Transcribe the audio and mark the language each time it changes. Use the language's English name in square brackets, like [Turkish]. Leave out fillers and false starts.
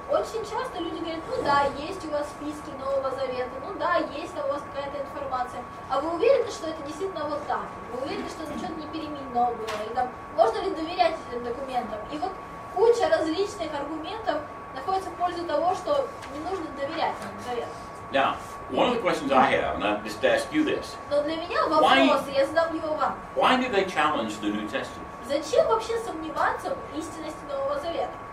[Russian] Очень часто люди говорят, ну да, есть у вас списки Нового Завета, ну да, есть у вас какая-то информация. А вы уверены, что это действительно вот так? Вы уверены, что что-то не переменено было? Или там, можно ли доверять этим документам? И вот куча различных аргументов находится в пользу того, что не нужно доверять Новому Завету. [English] Now, one of the questions I have, and I'll just ask you this. [Russian] Но для меня вопрос, я задам его вам. [English] Why do they challenge the New Testament? [Russian] Зачем вообще сомневаться в истинности Нового Завета?